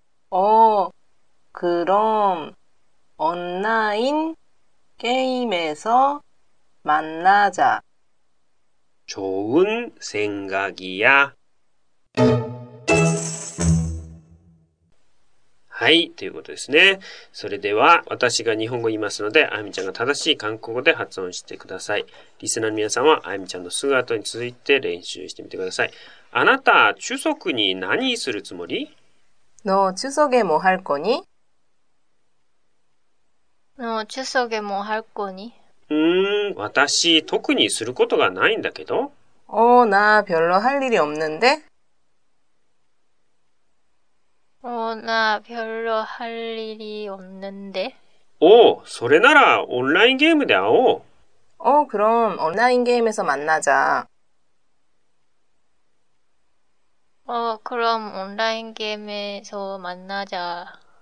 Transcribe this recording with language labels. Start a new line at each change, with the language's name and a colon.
Korean: 오그럼온라인게임에서만나자 좋은생각이야
Japanese: はい、ということですね。それでは、私が日本語を言いますので、あゆみちゃんが正しい韓国語で発音してください。リスナーの皆さんは、あゆみちゃんのすぐ後に続いて練習してみてください。あなた、추석に何するつもり?
Korean: 너추석에뭐할거니? 너추석에뭐할거니?
Japanese: 私、特にすることがないんだけど。
Korean: 어、나별로할일이없는데? 오나별로할일이없는데
Japanese: 오それなら온라인게임で会おう
Korean: 오그럼온라인게임에서만나자 오그럼온라인게임에서만나자